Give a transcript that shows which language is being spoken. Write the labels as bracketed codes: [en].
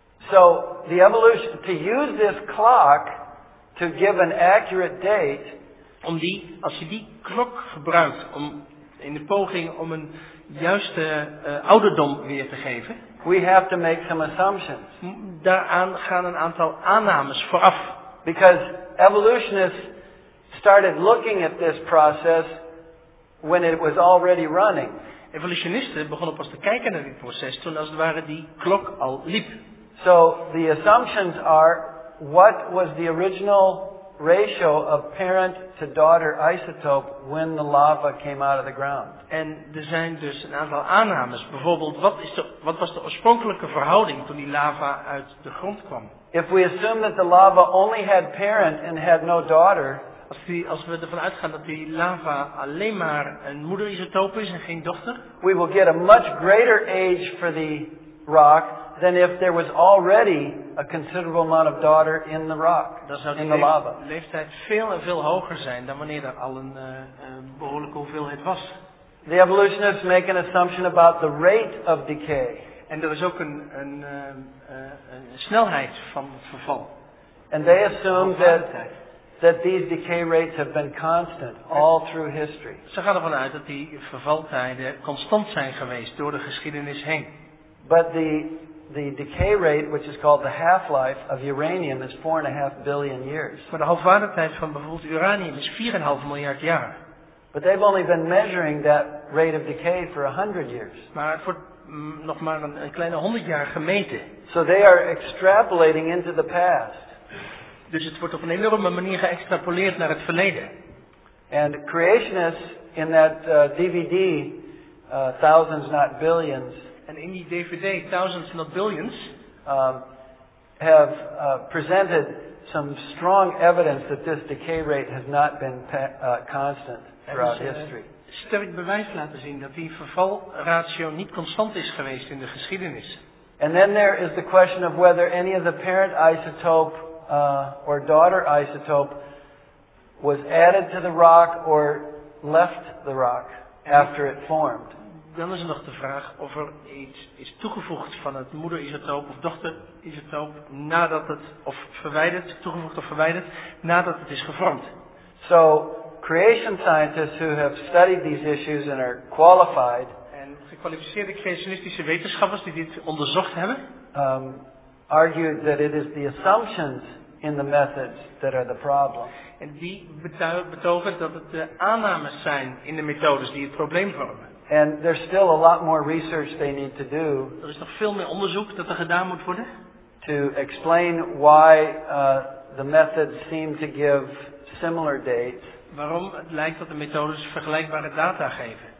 [en] So the evolution to use this clock to give an accurate date. [nl] Om die, als je die klok gebruikt om in de poging om een juiste ouderdom weer te geven. [en] We have to make some assumptions. [nl] Daaraan gaan een aantal aannames vooraf. [en] Because evolutionists started looking at this process when it was already running. [nl] Evolutionisten begonnen pas te kijken naar dit proces toen als het ware die klok al liep. [en] So the assumptions are, what was the original ratio of parent to daughter isotope when the lava came out of the ground? [nl] En er zijn dus een aantal aannames. Bijvoorbeeld, wat was de oorspronkelijke verhouding toen die lava uit de grond kwam? [en] If we assume that the lava only had parent and had no daughter. [nl] Als we ervan uitgaan dat die lava alleen maar een moederisotoop is en geen dochter. [en] We will get a much greater age for the rock than if there was already a considerable amount of daughter in the rock. [nl] Dan zou in de lava. Leeftijd veel en veel hoger zijn dan wanneer er al een behoorlijke hoeveelheid was. [en] The evolutionists make an assumption about the rate of decay. [nl] En er is ook een snelheid van verval. [en] And they assume that these decay rates have been constant all through history. [nl] Ze gaan ervan uit dat die vervaltijden constant zijn geweest door de geschiedenis heen. [en] But the decay rate, which is called the half-life of uranium, is 4.5 billion years. [nl] Maar de halfwaardetijd van bijvoorbeeld uranium is 4,5 miljard jaar. [en] But they've only been measuring that rate of decay for 100 years. [nl] Maar het wordt nog maar een kleine 100 jaar gemeten. [en] So they are extrapolating into the past. [nl] Dus het wordt op een enorme manier geëxtrapoleerd naar het verleden. [en] And creationists in that DVD, thousands not billions. [nl] En in die DVD, thousands not billions, [en] have presented some strong evidence that this decay rate has not been constant throughout history. [nl] Sterk bewijs laten zien dat die vervalratio niet constant is geweest in de geschiedenis. [en] And then there is the question of whether any of the parent isotope or daughter isotope was added to the rock or left the rock after it formed. [nl] Dan is er nog de vraag of er iets is toegevoegd van het moederisotoop of dochterisotoop nadat het of verwijderd, toegevoegd of verwijderd, nadat het is gevormd. [en] So, creation scientists who have studied these issues and are qualified. [nl] En gekwalificeerde creationistische wetenschappers die dit onderzocht hebben. [en] Argued that it is the assumptions in the methods that are the problem. [nl] En die betogen dat het de aannames zijn in de methodes die het probleem vormen. [en] And there's still a lot more research they need to do. [nl] Er is nog veel meer onderzoek dat er gedaan moet worden. [en] To explain why the methods seem to give similar dates. [nl] Waarom het lijkt dat de methodes vergelijkbare data geven.